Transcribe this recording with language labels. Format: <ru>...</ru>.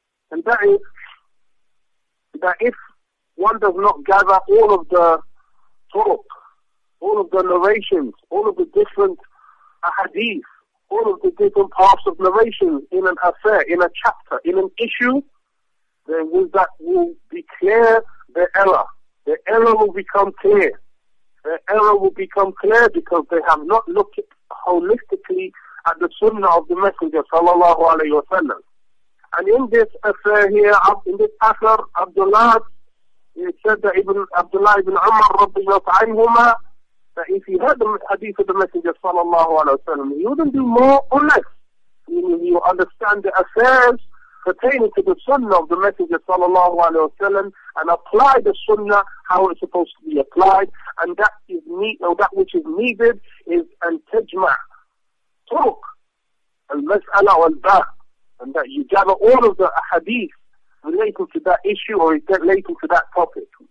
<en>And that is, that if one does not gather all of the turuq, all of the narrations, all of the different hadith, all of the different paths of narration in an affair, in a chapter, in an issue, then with that will be clear the error. The error will become clear. The error will become clear because they have not looked holistically at the sunnah of the Messenger sallallahu alayhi wa sallam. And in this affair here, in this asar, Abdullah</en> <ar>سادة ابن عبد الله بن عمر رضي الله عنهما. في هذا الحديث</ar> <en>the messenger صلى الله عليه وسلم, you don't do more or less. You understand the affairs pertaining to the sunnah of the messenger صلى الله عليه وسلم and apply the sunnah how it's supposed to be applied, and that is need, or that which is needed is</en> <ar>أن تجمع طرق المسألة والباء,</ar> <en>and that you gather all of the hadith relating to that issue or relating to that topic.</en>